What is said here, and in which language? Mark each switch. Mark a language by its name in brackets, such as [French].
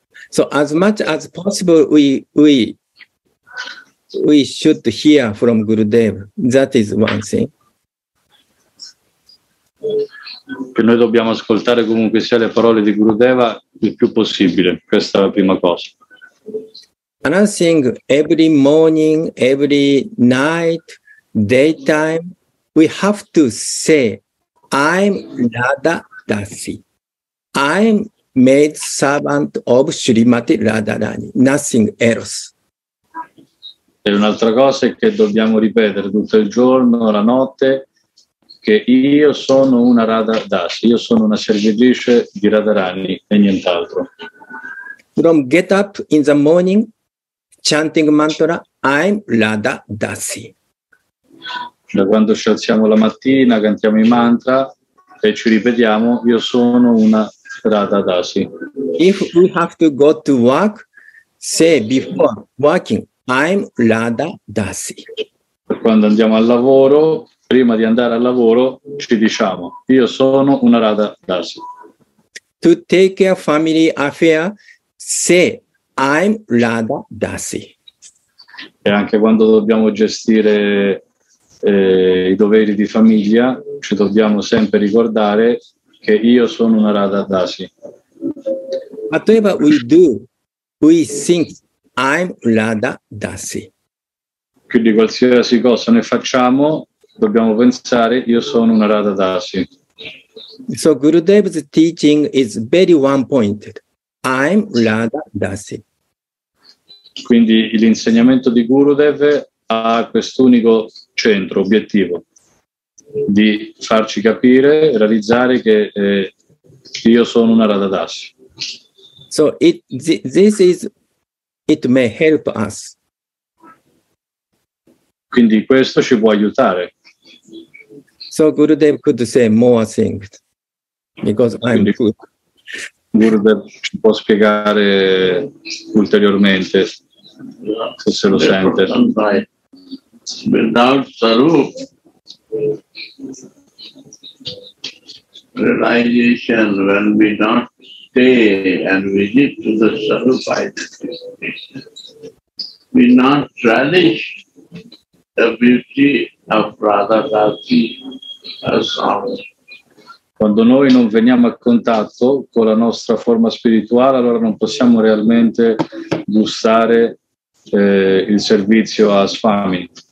[English] So as much as possible we should hear from Gurudev. That is one thing. [Italian] Che noi dobbiamo ascoltare comunque sia le parole di Gurudeva il più possibile. Questa è la prima cosa. [English] Another thing, every morning, every night, daytime, we have to say, I'm Radha Dasi. I'm maid servant of Srimati Radharani. Nothing else. [Italian] E un'altra cosa è che dobbiamo ripetere tutto il giorno, la notte, che io sono una Radha Dasi, io sono una servitrice di Radharani e nient'altro. [English] From get up in the morning, chanting mantra, I'm Radha Dasi. [Italian] Da quando ci alziamo la mattina, cantiamo i mantra e ci ripetiamo, io sono una Radha Dasi. [English] If we have to go to work, say before working, I'm Radha Dasi. [Italian] Quando andiamo al lavoro, prima di andare al lavoro, ci diciamo, io sono una Radha Dasi. [English] To take a family affair, say I'm Radha Dasi. [Italian] E anche quando dobbiamo gestire i doveri di famiglia, ci dobbiamo sempre ricordare che io sono una Radha Dasi. [English] Whatever we do, we think I'm Radha Dasi. [Italian] Quindi qualsiasi cosa ne facciamo, dobbiamo pensare io sono una Radha Dasi. [English] So Gurudev's teaching is very one-pointed. I'm Radha Dasi. [Italian] Quindi l'insegnamento di Gurudev ha quest'unico centro, obiettivo, di farci capire, realizzare che io sono una Radha Dasi. [English] So it this is it may help us. [Italian] Quindi questo ci può aiutare. [English] So Gurudev could say more things because I'm good. [Italian] Gurudev ci può spiegare ulteriormente se se lo sente. [English] Without Sarup, realization, when we not stay and visit to the Sarup identity, we not relish the beauty of Radha Dasi as ours. [Italian] Quando noi non veniamo a contatto con la nostra forma spirituale, allora non possiamo realmente gustare il servizio a Swami.